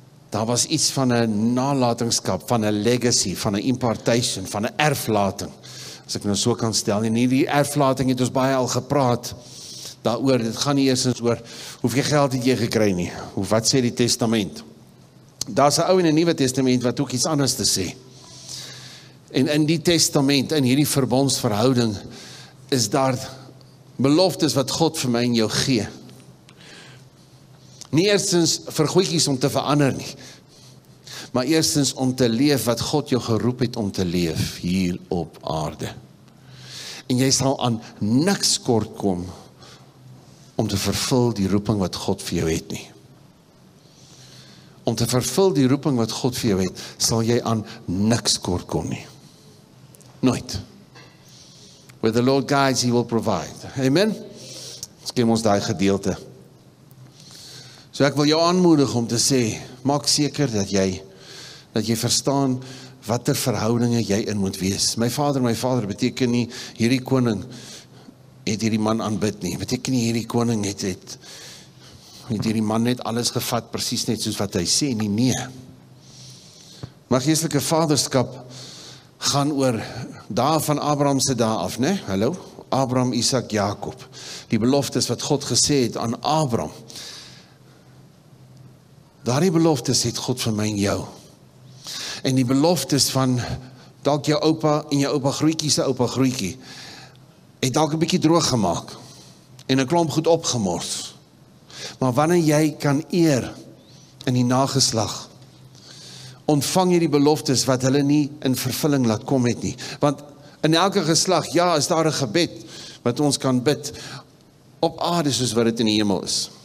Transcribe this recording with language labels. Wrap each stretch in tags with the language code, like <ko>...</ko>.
<af>daar was iets van 'n nalatingskap, van 'n legacy, van 'n impartation, van 'n erflating, as ek nou so kan stel, en hierdie erflating het ons baie al gepraat, daaroor, dit gaan nie eers oor, hoeveel geld het jy gekry nie, hoe wat sê die testament, daar is 'n ou en 'n nuwe testament, wat ook iets anders te sê, en in die testament, in hierdie verbondsverhouding, is daar beloftes wat God vir my en jou gee. Nie eerstens vir goeikies om te verander nie, maar eerstens om te leef wat God jou geroep het om te leef hier op aarde. En jy sal aan niks kort kom om te vervul die roeping wat God vir jou het nie. Om te vervul die roeping wat God vir jou het, sal jy aan niks kort kom nie. Nooit.</af> <en>Where the Lord guides, He will provide. Amen?</en> <af>Ons ken ons daai gedeelte. So ek wil jou aanmoedig om te sê, maak seker dat jy verstaan watter verhoudinge jy in moet wees. My vader beteken nie, hierdie koning het hierdie man aanbid nie. Beteken nie, hierdie koning het hierdie man net alles gevat, precies net soos wat hy sê nie, nee. Maar geestelike vaderskap gaan oor daar van Abrahamse daar af, ne? Hallo? Abraham, Isaac, Jacob. Die beloftes wat God gesê het aan Abraham. Daar die beloftes het God vir my en jou. En die beloftes van dalk jou opa en jou opa groeikie, sy opa groeikie, het dalk een bykie droog gemaakt. En een klomp goed opgemors. Maar wanneer jy kan eer in die nageslag, ontvang jy die beloftes wat hulle nie in vervulling laat kom het nie. Want in elke geslag, ja, is daar een gebed wat ons kan bid op aarde soos wat het in die hemel is.</af>